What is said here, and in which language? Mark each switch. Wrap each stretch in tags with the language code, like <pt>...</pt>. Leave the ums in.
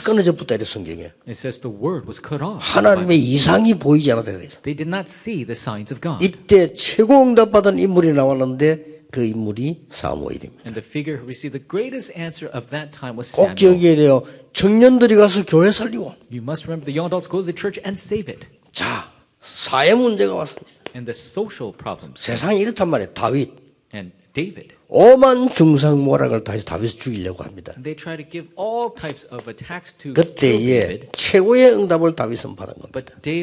<ko>끊어져 붙다 이래 성경에.</ko> <en>It says the word was cut off.</en> <ko>하나님의 이상이 보이지 않아</ko> <en>They did not see the signs of God.</en> <ko>이때 최고 응답 받은 인물이 나왔는데 그 인물이 사무엘입니다.</ko> <en>And the figure who received the greatest answer of that time was Samuel.</en> <ko>기억해야 돼요. 청년들이 가서 교회 살리고.</ko> <en>You must remember the young adults go to the church and save it.</en> <ko>자 사회 문제가 왔습니다.</ko> <en>And the social problems.</en> <ko>세상 이렇단 말이에요.</ko> <en>다윗. And David.</en> <ko>오만 중상모략을 다시 다윗을 죽이려고 합니다. 그때에 최고의 응답을 다윗은 받은 겁니다.</ko>